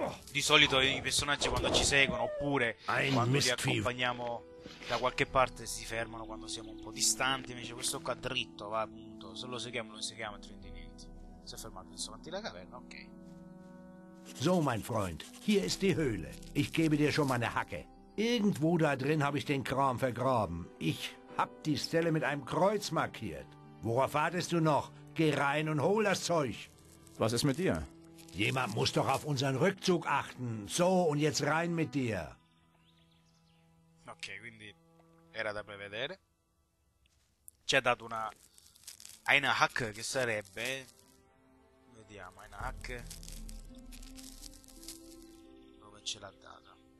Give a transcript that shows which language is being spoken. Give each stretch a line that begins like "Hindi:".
Italian: Di solito i personaggi quando ci seguono, oppure quando li accompagniamo da qualche parte, si fermano quando siamo un po' distanti. Invece questo qua dritto va, appunto. Se lo seguiamo, altrimenti niente. Si è fermato adesso davanti alla caverna, ok.
German: So, mein Freund, hier ist die Höhle. Ich gebe dir schon meine Hacke. Irgendwo da drin habe ich den Kram vergraben. Ich hab die Stelle mit einem Kreuz markiert. Worauf wartest du noch? Geh rein und hol das Zeug. Was ist mit dir? Jemand muss doch auf unseren Rückzug achten. So, und jetzt rein mit dir.
Italian: Ok, quindi era da prevedere. Ci ha dato una Eine Hacke, che sarebbe. Vediamo, Eine Hacke. Dove ce l'ha data?